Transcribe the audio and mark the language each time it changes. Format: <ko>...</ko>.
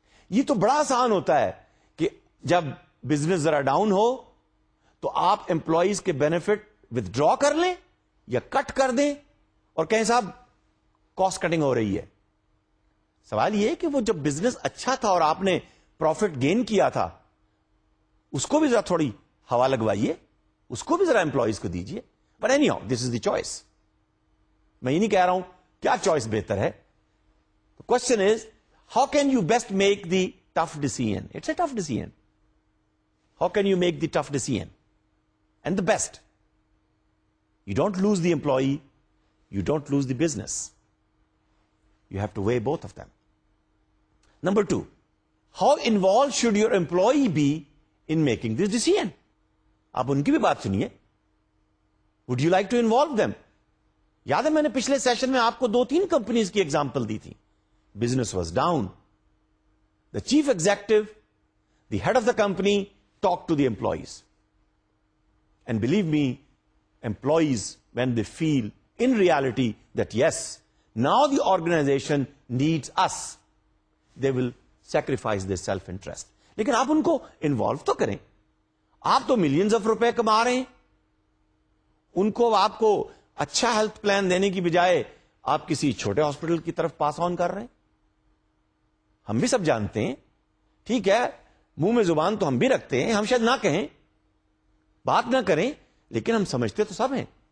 <ur>یہ تو بڑا آسان ہوتا ہے کہ جب بزنس ذرا ڈاؤن ہو تو آپ ایمپلائیز کے بینیفٹ ودرا کر لیں یا کٹ کر دیں اور کہیں صاحب کاسٹ کٹنگ ہو رہی ہے. سوال یہ ہے کہ وہ جب بزنس اچھا تھا اور آپ نے پروفٹ گین کیا تھا اس کو بھی ذرا تھوڑی ہوا لگوائیے, اس کو بھی ذرا ایمپلائیز کو دیجیے.</ur> <en>But any how this is the choice.</en> <ur>میں یہ نہیں کہہ رہا ہوں کیا چوائس بہتر ہے.</ur> <en>Question is how can you best make the tough decision. It's a tough decision. How can you make the tough decision and the best. You don't lose the employee, you don't lose the business. You have to weigh both of them. Number two, how involve should your employee be in making this decision.</en> <ur>آپ ان کی بھی بات سنیے.</ur> <en>Would you like to involve them?</en> <ur>یاد ہے میں نے پچھلے سیشن میں آپ کو دو تین کمپنیز کی ایگزامپل دی تھی.</ur> <en>Business was down, the chief executive, the head of the company talk to the employees and believe me employees when they feel in reality that yes now the organization needs us they will sacrifice their self interest.</en> <ur>لیکن آپ ان کو involve تو کریں. آپ تو millions of روپے کما رہے ہیں, ان کو آپ کو اچھا ہیلتھ پلان دینے کی بجائے آپ کسی چھوٹے ہاسپٹل کی طرف پاس آن کر رہے ہیں. ہم بھی سب جانتے ہیں, ٹھیک ہے منہ میں زبان تو ہم بھی رکھتے ہیں, ہم شاید نہ کہیں, بات نہ کریں, لیکن ہم سمجھتے تو سب ہیں.</ur>